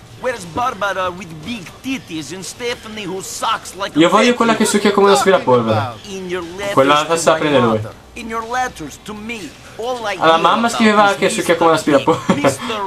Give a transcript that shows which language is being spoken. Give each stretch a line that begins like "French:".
English: Where's Barbara with big titties and Stephanie who sucks like
Italian: a... Io voglio quella che succhia come una aspirapolvere. Quella la sa prendere lui.
English: In your letters to me, all I...
Italian: Alla mamma scriveva che succhia come una aspirapolvere.